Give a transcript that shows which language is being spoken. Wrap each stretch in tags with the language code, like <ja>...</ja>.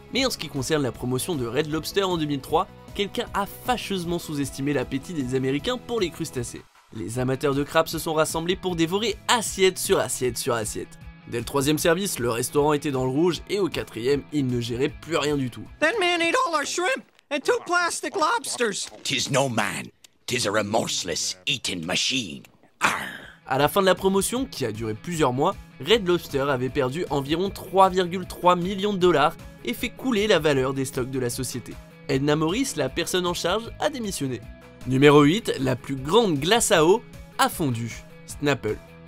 <fr>Mais en ce qui concerne la promotion de Red Lobster en 2003, quelqu'un a fâcheusement sous-estimé l'appétit des Américains pour les crustacés. Les amateurs de crabes se sont rassemblés pour dévorer assiette sur assiette sur assiette. Dès le troisième service, le restaurant était dans le rouge et au quatrième, il ne gérait plus rien du tout.</fr> <en>That man ate all our shrimp and two plastic lobsters. Tis no man, tis a remorseless eating machine. Arr.</en> <fr>À la fin de la promotion, qui a duré plusieurs mois, Red Lobster avait perdu environ 3,3 millions de dollars et fait couler la valeur des stocks de la société. Edna Morris, la personne en charge, a démissionné. Numéro 8, la plus grande glace à eau a fondu. Snapple.</fr>